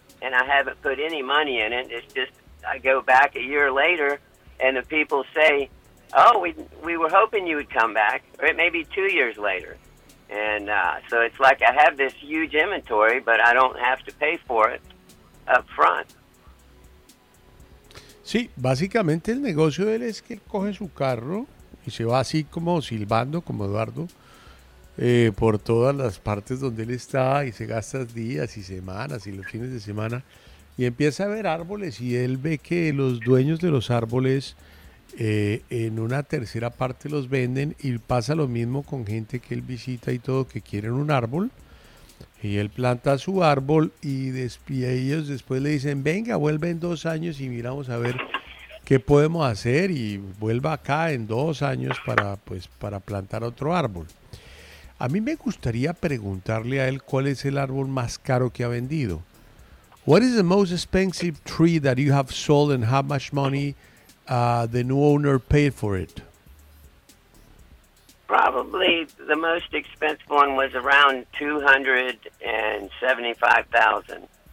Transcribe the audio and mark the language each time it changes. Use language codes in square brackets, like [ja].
[en] And I haven't put any money in it. It's just I go back a year later, and the people say, "Oh, we were hoping you would come back," or it may be 2 years later. And so it's like I have this huge inventory, but I don't have to pay for it up front. [es] Sí, básicamente el negocio de él es que él coge su carro y se va así como silbando, como Eduardo. Por todas las partes donde él está y se gasta días y semanas y los fines de semana y empieza a ver árboles y él ve que los dueños de los árboles En una tercera parte los venden y pasa lo mismo con gente que él visita y todo, que quieren un árbol. Y él planta su árbol y ellos después le dicen, venga, vuelve en 2 años y miramos a ver qué podemos hacer y vuelva acá en 2 años para, pues, para plantar otro árbol. A mí me gustaría preguntarle a él cuál es el árbol más caro que ha vendido. [en] What is the most expensive tree that you have sold and how much money the new owner paid for it? Probably the most expensive one was around $275,000.